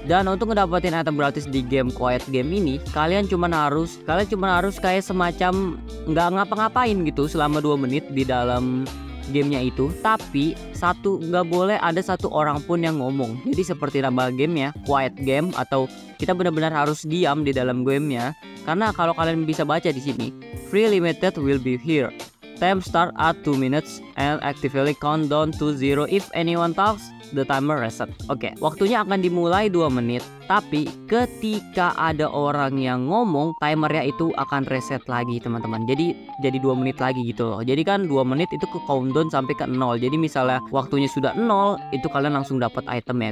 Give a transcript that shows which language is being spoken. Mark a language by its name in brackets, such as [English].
[Indonesian] Dan untuk ngedapetin item gratis di game Quiet Game ini, kalian cuma harus kayak semacam nggak ngapa-ngapain gitu selama 2 menit di dalam gamenya itu, tapi nggak boleh ada satu orang pun yang ngomong. Jadi seperti nama gamenya, Quiet Game, atau kita benar-benar harus diam di dalam gamenya. Karena kalau kalian bisa baca di sini, [English] free limited will be here. Time start at 2 minutes and actively count down to 0 if anyone talks, the timer reset. [Indonesian] Oke, waktunya akan dimulai 2 menit, tapi ketika ada orang yang ngomong, timernya itu akan reset lagi, teman-teman. Jadi 2 menit lagi gitu loh. Jadi kan 2 menit itu ke countdown sampai ke 0. Jadi misalnya waktunya sudah 0, itu kalian langsung dapat item ya.